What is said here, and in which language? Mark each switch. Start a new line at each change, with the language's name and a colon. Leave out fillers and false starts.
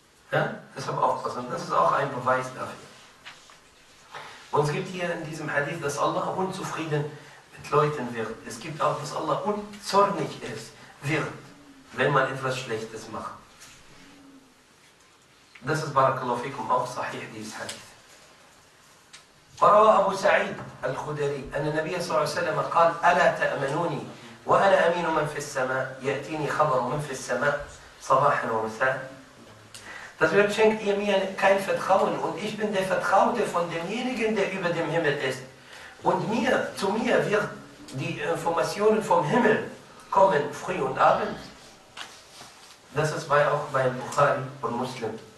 German: Ja? Deshalb aufpassen. Das ist auch ein Beweis dafür. Und es gibt hier in diesem Hadith, dass Allah unzufrieden mit Leuten wird. Es gibt auch, dass Allah unzornig ist, wird, wenn man etwas Schlechtes macht. Das ist Barakallahu fikum auch sahih, dieses Hadith.
Arabic: فروى أبو سعيد الخدري أن النبي صلى الله عليه وسلم قال ألا تأمنوني وأنا أمين من في السماء يأتيني خبر من في السماء صباحا ومساء.
German: Das wird schenkt ihr mir kein Vertrauen und ich bin der Vertraute von demjenigen, der über dem Himmel ist. Und mir, zu mir wird die Informationen vom Himmel kommen, früh und abend. Das ist auch bei Bukhari und Muslim.